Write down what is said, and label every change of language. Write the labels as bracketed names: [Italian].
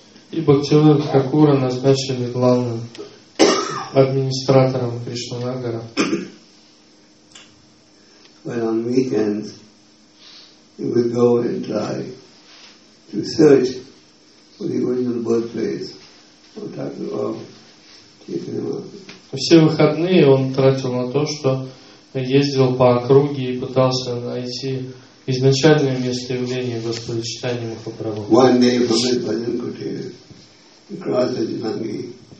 [Russian] И Бхактивинода Тхакура назначили главным администратором Кришнанагара. [English] But on weekends he would go and try to search for the original birthplace of Thakur. [Russian] Все выходные он тратил на то, что ездил по округе и пытался найти изначальное место явления Господа Чайтаньи Махапрабху. [English] One day from his bhajan kutir, he crossed the Jhangi.